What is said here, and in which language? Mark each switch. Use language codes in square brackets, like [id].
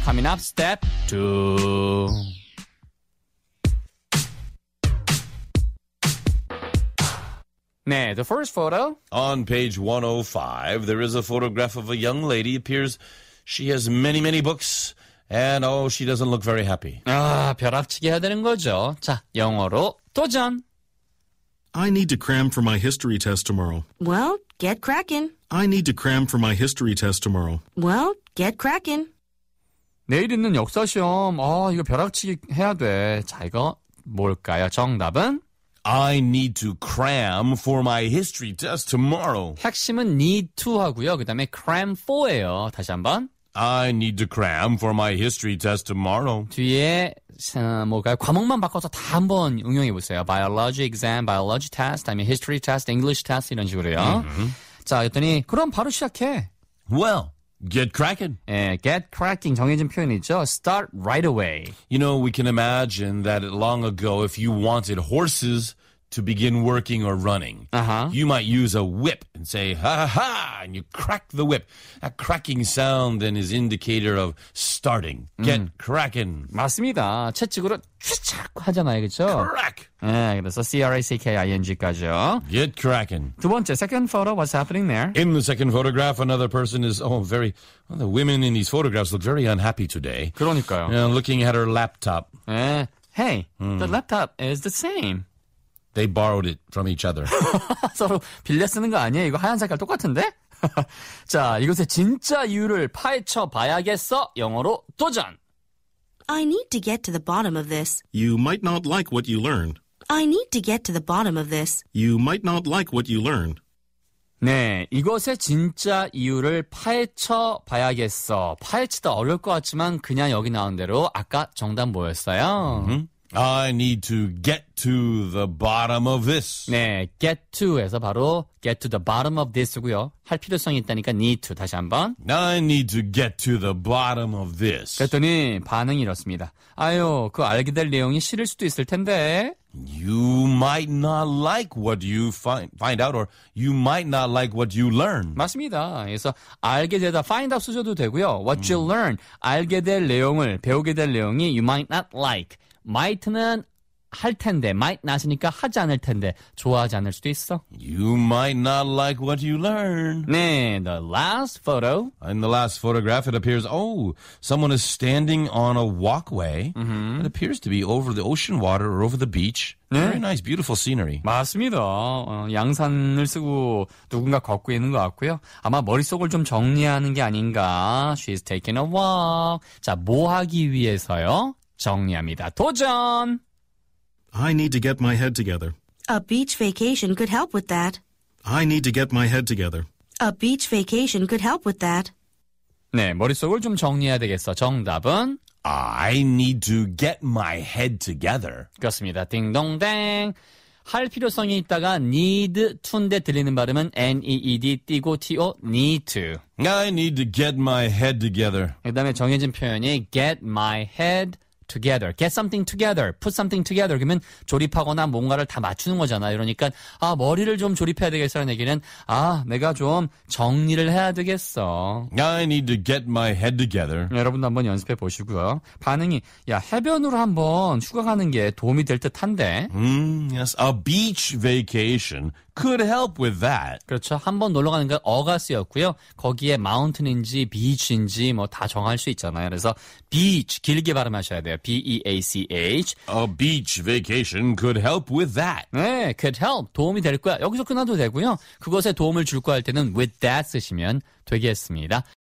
[en] Coming up, step two. Nah, the first photo. On page 105, there is a photograph of a young lady. Appears she has many, many books. And, oh, she doesn't look very happy. [ko] 아, 벼락치기 해야 되는 거죠. 자, 영어로 도전! [en] I need to cram for my history test tomorrow. Well, get cracking. I need to cram for my history test tomorrow. Well, get cracking. [ko] 내일 있는 역사 시험. 아, 이거 벼락치기 해야 돼. 자, 이거 뭘까요? 정답은? [en] I need to cram for my history test tomorrow. [ko] 핵심은 need to 하고요. 그 다음에 cram for예요. 다시 한번. [en] I need to cram for my history test tomorrow. [ko] 뒤에 뭐가요? 과목만 바꿔서 다 한번 응용해 보세요. [en] Biology exam, biology test, 다음에 history test, English test [ko] 이런 식으로요. Mm-hmm. 자, 그랬더니 그럼 바로 시작해. [en] Well. Get cracking. Yeah, get cracking. [ko] 정해진 표현이죠. [en] Start right away. You know, we can imagine that long ago, if you wanted horses to begin working or running, uh-huh. you might use a whip and say, ha ha ha, and you crack the whip. A cracking sound then is indicator of starting. Get cracking. [ko] 맞습니다. 채찍으로 촤촥 하잖아요, 그렇죠? [en] Crack. [ko] 네, 그래서 C-R-A-C-K-I-N-G까지요. [en] Get cracking. [ko] 두 번째, [en] second photo, what's happening there? In the second photograph, another person is, oh, very, well, the women in these photographs look very unhappy today. [ko] 그러니까요. [en] Looking at her laptop. [ko] 네. [en] Hey, the laptop is the same. They borrowed it from each other. [ko] 서로 빌려 쓰는 거 아니에요? 이거 하얀 색깔 똑같은데? 자, 이것의 진짜 이유를 파헤쳐 봐야겠어. 영어로 도전! [en] I need to get to the bottom of this. You might not like what you learned. I need to get to the bottom of this. You might not like what you learned. [ko] 네, 이것의 진짜 이유를 파헤쳐 봐야겠어. 파헤치다 어려울 것 같지만 그냥 여기 나온 대로 아까 정답 뭐였어요? Mm-hmm. [en] I need to get to the bottom of this. [ko] 네, get to에서 바로 get to the bottom of this고요. 할 필요성이 있다니까 need to 다시 한번. [en] I need to get to the bottom of this. [ko] 그랬더니 반응이 이렇습니다. 아유, 그 알게 될 내용이 싫을 수도 있을 텐데. [en] You might not like what you find out or you might not like what you learn. [ko] 맞습니다. 그래서 알게 되다 find out 쓰셔도 되고요. [en] What you learn, [ko] 알게 될 내용을 배우게 될 내용이 [en] you might not like. [ko] Might는 할 텐데, might not이니까 하지 않을 텐데, 좋아하지 않을 수도 있어. [en] You might not like what you learn. 네, the last photo. In the last photograph, it appears, oh, someone is standing on a walkway. Mm-hmm. It appears to be over the ocean water or over the beach. [ko] 네? [en] Very nice, beautiful scenery. [ko] 맞습니다. 양산을 쓰고 누군가 걷고 있는 것 같고요. 아마 머릿속을 좀 정리하는 게 아닌가. [en] She's taking a walk. [ko] 자, 뭐 하기 위해서요? 정리합니다. 도전! [en] I need to get my head together. A beach vacation could help with that. I need to get my head together. A beach vacation could help with that. [ko] 네, 머릿속을 좀 정리해야 되겠어. 정답은? [en] I need to get my head together. [ko] 그렇습니다. 딩동댕! 할 필요성이 있다가 need to인데 들리는 발음은 N-E-E-D 띄고 T-O need to. [en] I need to get my head together. [ko] 그 다음에 정해진 표현이 get my head together. [en] Get something together. Put something together. [ko] 그러면 조립하거나 뭔가를 다 맞추는 거잖아. 그러니까 아 머리를 좀 조립해야 되겠어라는 얘기는 아 내가 좀 정리를 해야 되겠어. [en] I need to get my head together. [ko] 여러분도 한번 연습해 보시고요. 반응이 야 해변으로 한번 휴가 가는 게 도움이 될 듯한데. [en] Yes, a beach vacation could help with that. [ko] 그렇죠. 한번 놀러 가는 건 어가 쓰였고요. 거기에 마운틴인지 비치인지 뭐 다 정할 수 있잖아요. 그래서 beach 길게 발음하셔야 돼요. [en] B-E-A-C-H. A beach vacation could help with that. [ko] 네, could help. 도움이 될 거야. 여기서 끝나도 되고요. 그것에 도움을 줄 거야 할 때는 with that 쓰시면 되겠습니다.